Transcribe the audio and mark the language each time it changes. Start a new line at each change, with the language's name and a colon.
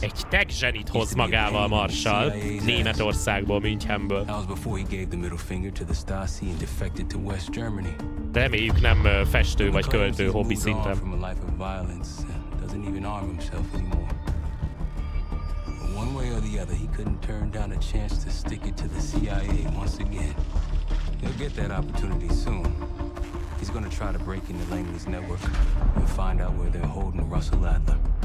Hungarian: Egy tech zsenit hoz magával, Marshall, Németországból, Münchenből.
English: That was before he gave the middle finger to the Stasi and defected to West Germany.
Hungarian: Reméljük nem festő vagy költő hobbi szinten.
English: From a life of violence, doesn't even arm himself anymore. One way or the other, he couldn't turn down a chance to stick it to the CIA once again. He'll get that opportunity soon. He's gonna try to break into Langley's network and find out where they're holding Russell Adler.